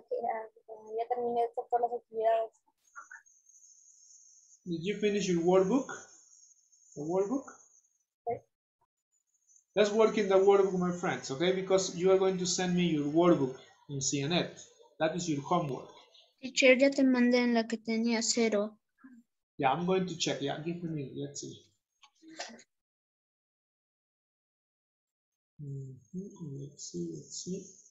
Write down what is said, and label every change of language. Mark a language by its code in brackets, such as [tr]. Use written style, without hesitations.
[es] Ya terminé todas las actividades. [en] Did you finish your workbook? The workbook? Okay. Let's work in the workbook, my friends, okay? Because you are going to send me your workbook in CNET. That is your homework. [es] Teacher, ya te mandé en la que tenía cero. [en] Yeah, I'm going to check. Yeah, give me a minute. Let's see. Mm-hmm. Let's see, let's see.